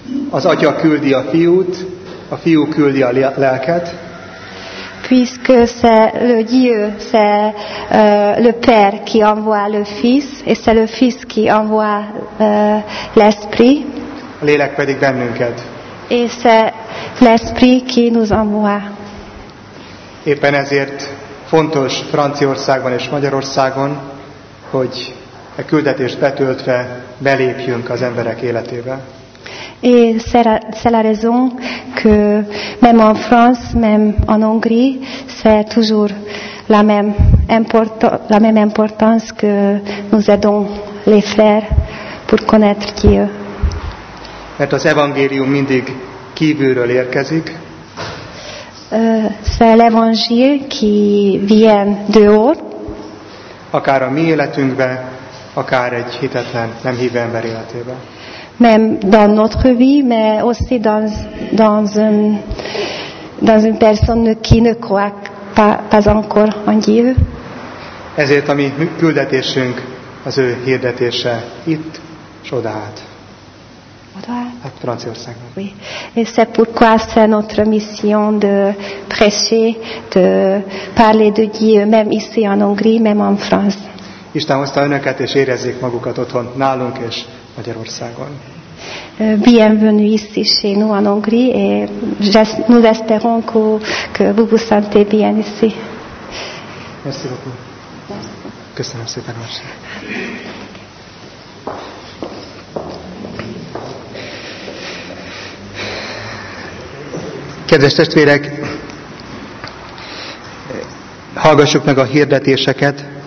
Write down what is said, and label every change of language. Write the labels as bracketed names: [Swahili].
[Hungarian] Az Atya küldi a fiút, a fiú küldi a lelket. [French] puisque c'est le Dieu, c'est le Père qui envoie le Fils, et c'est le Fils qui envoie l'Esprit. [Hungarian] A lélek pedig bennünket. [French] Et c'est l'Esprit qui nous envoie. [Hungarian] Éppen ezért fontos Franciaországban és Magyarországon, hogy a küldetést betöltve belépjünk az emberek életébe. [French] Et c'est la raison que même en France, même en Hongrie, c'est toujours la même importance que nous aidons les frères pour connaître Dieu. [Hungarian] Mert az evangélium mindig kívülről érkezik. [French] C'est l'évangile qui vient de haut. [Hungarian] Akár a mi életünkbe, akár egy hitetlen, nem hívő ember életébe. [French] Même dans notre vie, mais aussi dans une personne qui ne croit pas encore en Dieu. [Hungarian] Ezért a mi küldetésünk az ő hirdetése itt, s odaát. Hát Franciaországban. Oui. [French] Et c'est pourquoi c'est notre mission de prêcher, de parler de Dieu, même ici en Hongrie, même en France. [Hungarian] Isten hozta önöket, és érezzék magukat otthon, nálunk és Magyarországon. [French] Bienvenue ici chez nous en Hongrie et nous espérons que vous vous sentez bien ici. Merci beaucoup. [Hungarian] Köszönöm szépen, Marcia. Kedves testvérek, hallgassuk meg a hirdetéseket.